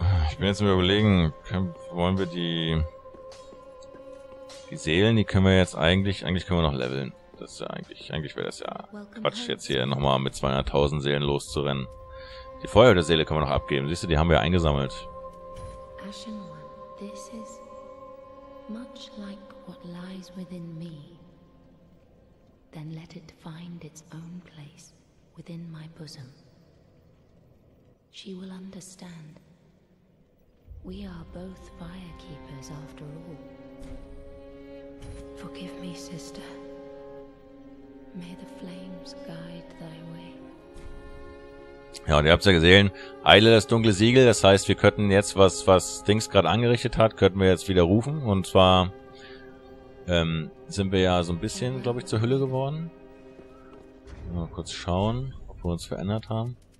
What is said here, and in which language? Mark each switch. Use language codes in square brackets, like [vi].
[de] Ich bin jetzt mal überlegen, wollen wir die... Die Seelen, die können wir jetzt eigentlich... Eigentlich können wir noch leveln. Das ist ja eigentlich... Eigentlich wäre das ja Quatsch, jetzt hier nochmal mit 200.000 Seelen loszurennen. Die Feuer der Seele können wir noch abgeben. Siehst du, die haben wir eingesammelt. [en] Ashen One, this is much like what lies within me. Then let it find its own place within my bosom. She will understand. We are both fire keepers after all. Forgive me, sister. May the flames guide thy way. [de] Ja, und ihr habt ja gesehen, eile das dunkle Siegel. Das heißt, wir könnten jetzt, was Dings gerade angerichtet hat, könnten wir jetzt wieder rufen. Und zwar sind wir ja so ein bisschen, glaube ich, zur Hülle geworden. Mal kurz schauen, ob wir uns verändert haben.